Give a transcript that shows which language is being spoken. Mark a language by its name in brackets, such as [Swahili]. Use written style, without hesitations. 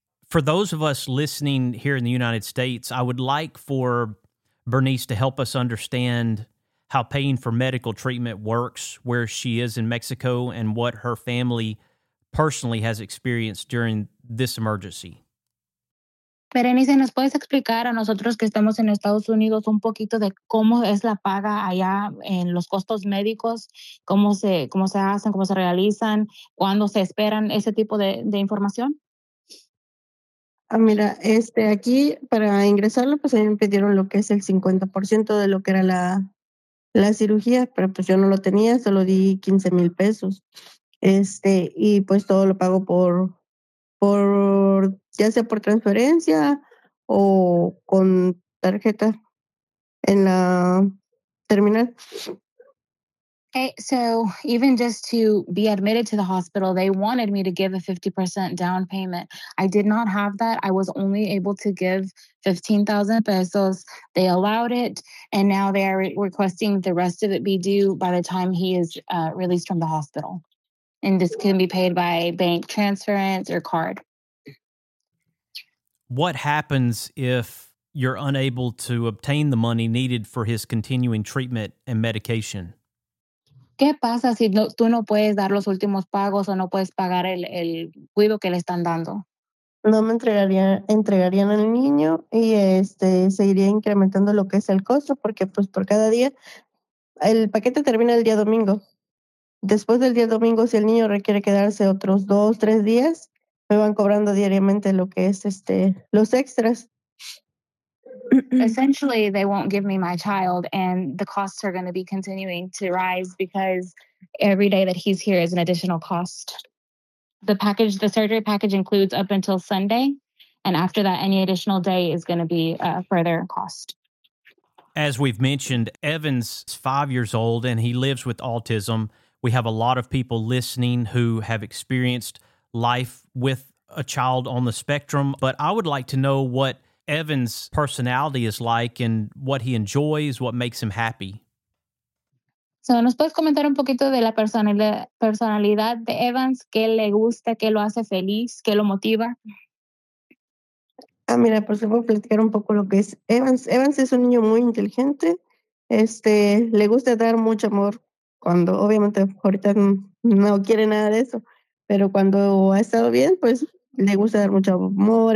[English] for those of us listening here in the United States, I would like for Bernice to help us understand how paying for medical treatment works where she is in Mexico and what her family personally has experienced during this emergency. [Spanish] Berenice, ¿nos puedes explicar a nosotros que estamos en Estados Unidos un poquito de cómo es la paga allá en los costos médicos, cómo se hacen, cómo se realizan, cuándo se esperan ese tipo de información? Ah, mira, aquí para ingresarlo, pues ahí me pidieron lo que es el 50% de lo que era la cirugía, pero pues yo no lo tenía, solo di 15,000 pesos. Y pues todo lo pago por ya sea por transferencia o con tarjeta en la terminal. [English] Okay, so even just to be admitted to the hospital, they wanted me to give a 50% down payment. I did not have that. I was only able to give 15,000 pesos. They allowed it, and now they are requesting the rest of it be due by the time he is released from the hospital. And this can be paid by bank transference or card. What happens if you're unable to obtain the money needed for his continuing treatment and medication? [Spanish] ¿Qué pasa si no, tú no puedes dar los últimos pagos o no puedes pagar el cuido que le están dando? No me entregarían al niño y se iría incrementando lo que es el costo porque pues por cada día, el paquete termina el día domingo. Después del día domingo, si el niño requiere quedarse otros 2-3 días, me van cobrando diariamente lo que es los extras. [English] Essentially, they won't give me my child, and the costs are going to be continuing to rise because every day that he's here is an additional cost. The surgery package includes up until Sunday, and after that, any additional day is going to be a further cost. As we've mentioned, Evans is 5 years old, and he lives with autism. We have a lot of people listening who have experienced life with a child on the spectrum, but I would like to know what Evan's personality is like and what he enjoys, what makes him happy. [Spanish] So, ¿nos puedes comentar un poquito de la personalidad de Evans? ¿Qué le gusta? ¿Qué lo hace feliz? ¿Qué lo motiva? Ah, mira, pues voy a platicar un poco lo que es Evans. Evans es un niño muy inteligente. Le gusta dar mucho amor cuando, obviamente, ahorita no quiere nada de eso, pero cuando ha estado bien, pues le gusta dar mucho amor.